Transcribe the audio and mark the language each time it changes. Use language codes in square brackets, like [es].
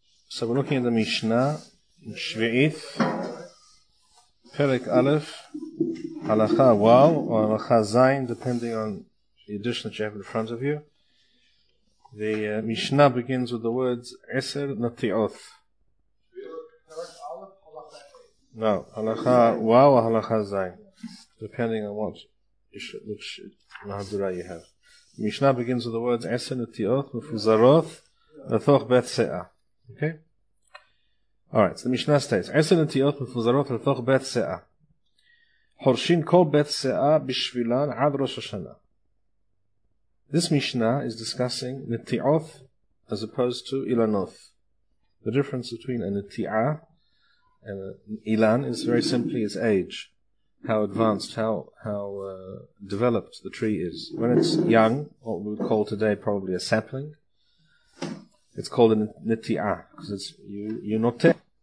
[he] סבור לוקחים את המשנה שביעית, פרק א', הלכה וואו, או הלכה זין, [en] depending on the edition that you have in front of you. The משנה begins with the words [he] עשר נטיעות. [en] No, [he] הלכה וואו, או הלכה זין, [en] depending on which מהדורה you have. [he] המשנה [en] begins with the words [he] עשר נטיעות מפוזרות לתוך בית סאה. [en] Okay? Alright, so the [he] משנה states, עשר נטיעות מפוזרות לתוך בית סאה. חורשים כל בית סאה בשבילן עד ראש השנה. [en] This משנה is discussing נטיעות as opposed to אילנות. The difference between a נטיעה and an אילן is very simply its age. How advanced, how developed the tree is. When it's young, what we would call today probably a sapling, it's called a neti'ah, because it's you note.